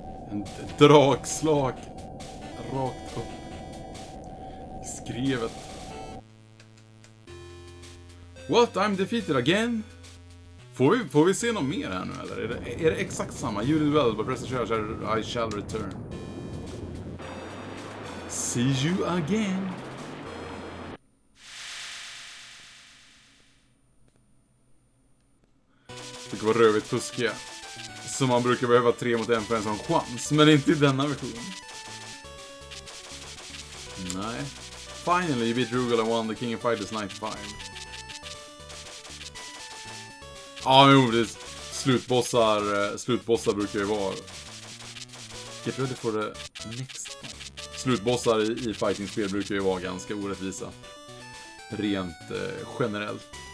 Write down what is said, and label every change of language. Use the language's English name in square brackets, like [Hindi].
[Swedish] En drakslag rakt upp i skrevet. [English] What? I'm defeated again. [Swedish] Får vi se något mer här nu eller är det exakt samma? [English] You did well, but press the charge, I shall return. See you again. [Swedish] Det var rövigt fuskiga. Så man brukar behöva 3-1 för en sån chans. Men inte i denna version. Nej. [English] Finally you beat Rugal and won the King of Fighters 95. [Swedish] Ja, ah, jo, det är slutbossar. Slutbossar brukar ju vara. [English] Get ready for the next. [Swedish] Slutbossar i fighting-spel brukar ju vara ganska orättvisa. Rent generellt.